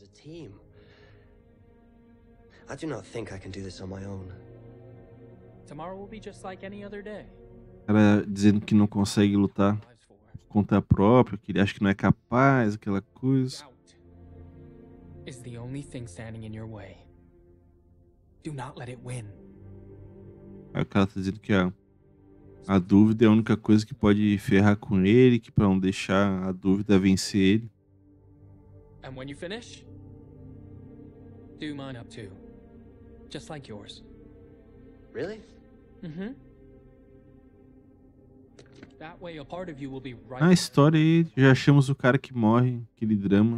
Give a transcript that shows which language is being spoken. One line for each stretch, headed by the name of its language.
English: I do not think I can do this on my own. Tomorrow will be just like any other day.
Portuguese: Cara dizendo que não consegue lutar por conta própria, que ele acha que não é capaz, aquela coisa.
English: Is the only thing standing in your way. Do not let it win.
Portuguese: Aí o cara tá dizendo que a dúvida é a única coisa que pode ferrar com ele, que pra não deixar a dúvida vencer ele.
English: And when you finish, do mine up too. Just like yours. Really? Uhum. That way a part of you will be right.
Portuguese: Ah, história aí, já achamos o cara que morre, aquele drama.